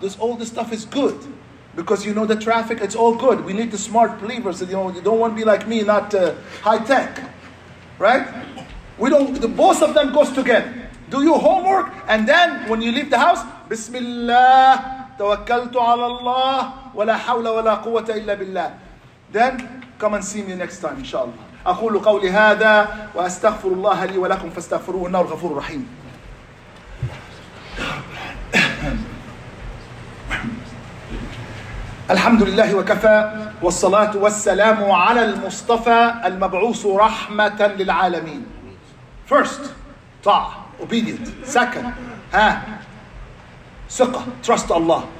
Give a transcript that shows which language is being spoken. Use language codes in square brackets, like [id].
[en] This all this stuff is good. Because you know the traffic, it's all good. We need the smart believers. You know, you don't want to be like me, not high tech, right? Both of them goes together. Do your homework, and then when you leave the house, Bismillah, [ar] توكلت على الله ولا حول ولا قوة إلا بالله. [en] Then come and see me next time, inshallah. [ar] أقول قولي هذا وأستغفر الله لي ولكم فاستغفروه إنه الغفور الرحيم. الحمد لله وكفى والصلاة والسلام على المصطفى المبعوث رحمة للعالمين. [en] First, طاع, obedient. Second, ها, ثقة, trust Allah.